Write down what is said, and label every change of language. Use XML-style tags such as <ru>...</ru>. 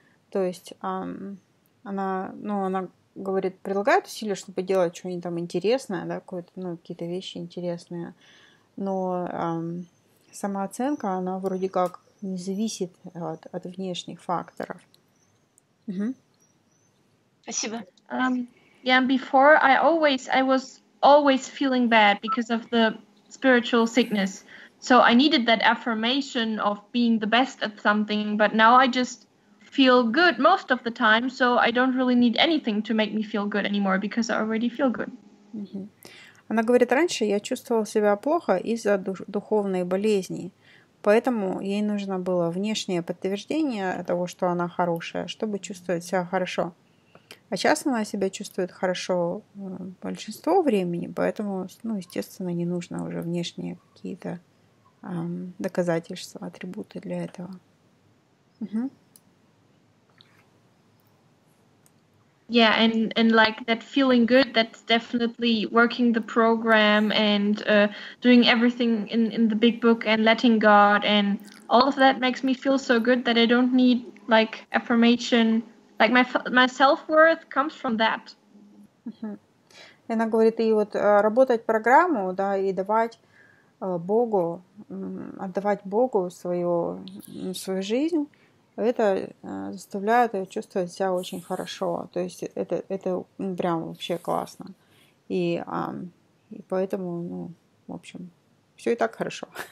<ru>То есть она говорит, прилагает усилия, чтобы делать что-нибудь там интересное, да, какие-то вещи интересные. Но самооценка, она вроде как не зависит от внешних факторов. Угу. Спасибо.</ru> <en>Before I was always feeling bad because of the spiritual sickness. So I needed that affirmation of being the best at something, but now I just feel good most of the time, so I don't really need anything to make me feel good anymore because I already feel good. Mm-hmm.</en> <ru>Она говорит, раньше я чувствовала себя плохо из-за духовной болезни, поэтому ей нужно было внешнее подтверждение того, что она хорошая, чтобы чувствовать себя хорошо. А сейчас она себя чувствует хорошо большинство времени, поэтому, ну, естественно, не нужно уже внешние какие-то доказательства, атрибуты для этого. Угу.</ru> <en>Yeah, and like that feeling good, that's definitely working the program and doing everything in the big book and letting God and all of that makes me feel so good that I don't need like affirmation. Like my self-worth comes from that. Uh-huh.</en> <ru>Она говорит, и вот работать программу, да, и давать Богу, отдавать Богу свою жизнь, это заставляет ее чувствовать себя очень хорошо. То есть это прям вообще классно. И поэтому, ну, в общем, все и так хорошо.</ru>